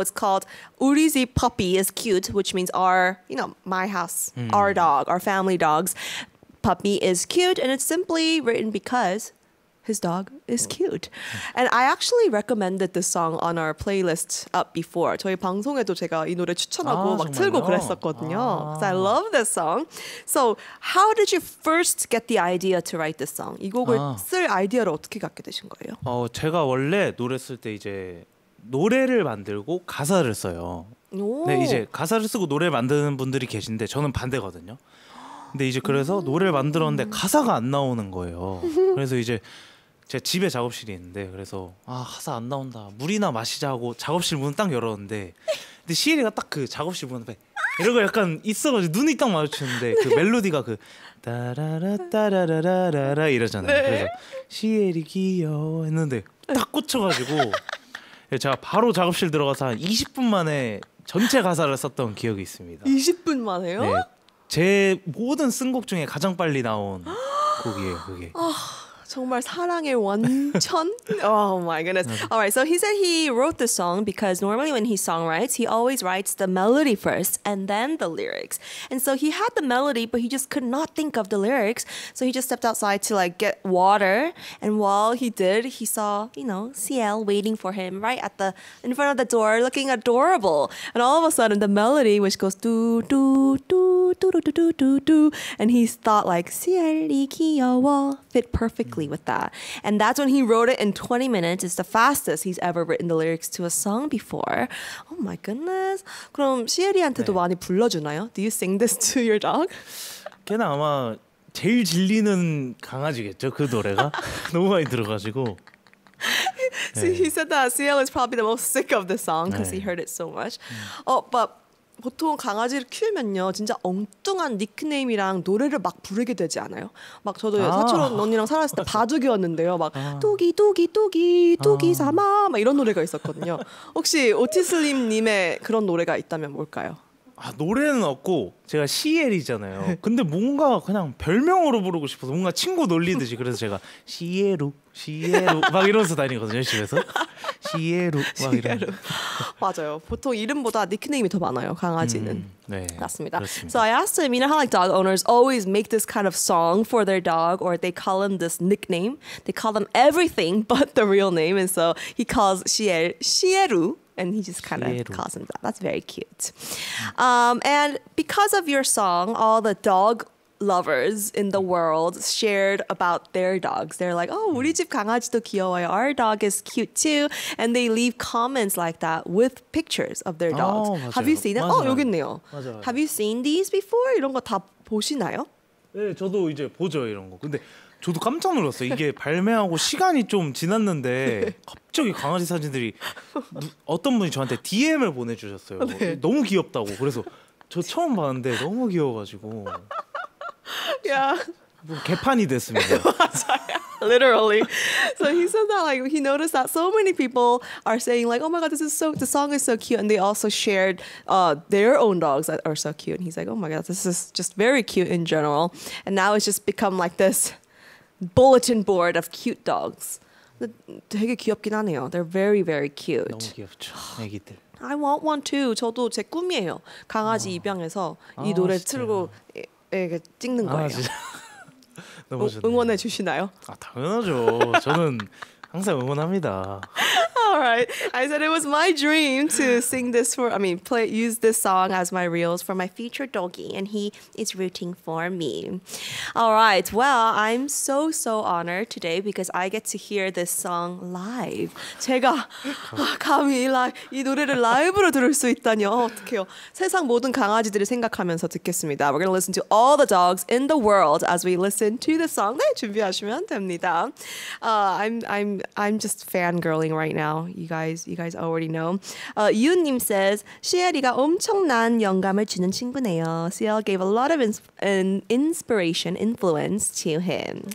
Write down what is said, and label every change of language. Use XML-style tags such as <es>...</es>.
<en>It's called</en> <ko>우리 집</ko> <en>puppy is cute, which means our, you know, my house, our dog, our family dog's puppy is cute. And it's simply written because his dog is cute. And I actually recommended this song on our playlist up before.</en> <ko>저희 방송에도 제가 이 노래 추천하고 아, 막 틀고 그랬었거든요.</ko> <en>아. So I love this song. So how did you first get the idea to write this song?</en> <ko>이 곡을 아. 쓸 아이디어를 어떻게 갖게 되신 거예요? 어, 제가 원래 노래 쓸 때 이제 노래를 만들고 가사를 써요. 오. 네, 이제 가사를 쓰고 노래 만드는 분들이 계신데 저는 반대거든요. 근데 이제 그래서 노래를 만들었는데 가사가 안 나오는 거예요. 그래서 이제 제 집에 작업실이 있는데 그래서 아 가사 안 나온다 물이나 마시자고 작업실 문을 딱 열었는데 근데 시엘이가 딱 그 작업실 문 앞에 이런 거 약간 있어가지고 눈이 딱 마주치는데 네. 그 멜로디가 그 따라라 따라라라라 이러잖아요. 네. 그래서 시엘이 귀여워 했는데 딱 꽂혀가지고 제가 바로 작업실 들어가서 한 20분 만에 전체 가사를 썼던 기억이 있습니다. 20분 만에요? 네. 제 모든 쓴 곡 중에 가장 빨리 나온 곡이에요, 그게. 아, 정말 사랑의 원천?</ko> <en>Oh my goodness. All right, so he said he wrote the song because normally when he songwrites, he always writes the melody first and then the lyrics. And so he had the melody, but he just could not think of the lyrics. So he just stepped outside to like get water. And while he did, he saw, you know, Siel waiting for him right at the, in front of the door, looking adorable. And all of a sudden, the melody, which goes do, do, do, do, do, do, do, do, do. And he thought like, Siel이</en> <ko>귀여워,</ko> <en>fit perfectly. With that, and that's when he wrote it in 20 minutes. It's the fastest he's ever written the lyrics to a song before. Oh my goodness!</en> <ko>그럼 시엘이한테도 네. 많이 불러주나요?</ko> <en>Do you sing this to your dog?</en> <ko>걔는 아마 제일 질리는 강아지겠죠. 그 노래가 너무 많이 들어가지고.</ko> <en>So 네. He said that Siel is probably the most sick of the song because 네. he heard it so much.</en> <ko>Oh, but 보통 강아지를 키우면요 진짜 엉뚱한 닉네임이랑 노래를 막 부르게 되지 않아요? 막 저도 아~ 사촌 언니랑 살았을 때 바둑이었는데요 막 뚜기 아~ 뚜기 뚜기 뚜기 아~ 삼아 막 이런 노래가 있었거든요. 혹시 오티스림 님의 그런 노래가 있다면 뭘까요? 아 노래는 없고 제가 시엘이잖아요. 근데 뭔가 그냥 별명으로 부르고 싶어서 뭔가 친구 놀리듯이 그래서 제가 시에루 시에루 막 이러면서 다니거든요 집에서 시에루 막 이러면서 맞아요. 보통 이름보다 닉네임이 더 많아요 강아지는. 네 맞습니다.</ko> <en>So I asked him, you know how like dog owners always make this kind of song for their dog, or they call him this nickname, they call them everything but the real name, and so he calls Siel 시에루. And he just kind of calls him that. That's very cute. And because of your song, all the dog lovers in the world shared about their dogs. They're like, oh,</en> <ko>우리 집 강아지도 귀여워요.</ko> <en>Our dog is cute too. And they leave comments like that with pictures of their dogs. Oh, have you seen it?</en> <ko>맞아요. Oh, 여기 있네요. 맞아요.</ko> <en>Have you seen these before?</en> <ko>이런 거 다 보시나요? 네, 저도 이제 보죠, 이런 거. 근데 저도 깜짝 놀랐어요. 이게 발매하고 시간이 좀 지났는데 갑자기 강아지 사진들이 어떤 분이 저한테 DM을 보내주셨어요. 네. 너무 귀엽다고. 그래서 저 처음 봤는데 너무 귀여워가지고. 야. 뭐 개판이 됐습니다.</ko> <en>Literally. So he said that like he noticed that so many people are saying like, oh my god, this is so, the song is so cute, and they also shared their own dogs that are so cute. And he's like, oh my god, this is just very cute in general. And now it's just become like this. Bulletin board of cute dogs.</en> <ko>되게 귀엽긴 하네요.</ko> <en>They're very, very cute.</en> <ko>너무 귀엽죠, 애기들.</ko> <en>I want one too.</en> <ko>저도 제 꿈이에요. 강아지 어. 입양해서 이 아, 노래 틀고 애가 찍는 거예요. 아, 진짜. 너무 좋네. 응원해 주시나요? 아, 당연하죠. 저는 항상 응원합니다.</ko> <en>Alright, I said it was my dream to sing this for, I mean, play, use this song as my reels for my future doggy, and he is rooting for me. Alright, well, I'm so, so honored today because I get to hear this song live.</en> <ko>제가 아, 감히 이 노래를 라이브로 들을 수 있다니, 어떡해요. 세상 모든 강아지들을 생각하면서 듣겠습니다.</ko> <en>We're going to listen to all the dogs in the world as we listen to the song.</en> <ko>네, 준비하시면 됩니다.</ko> <en>I'm just fangirling right now. You guys already know. Yoon님 says,</en> <ko>시엘이가 엄청난 영감을 주는 친구네요.</ko> <en>Siel gave a lot of inspiration, influence to him.</en>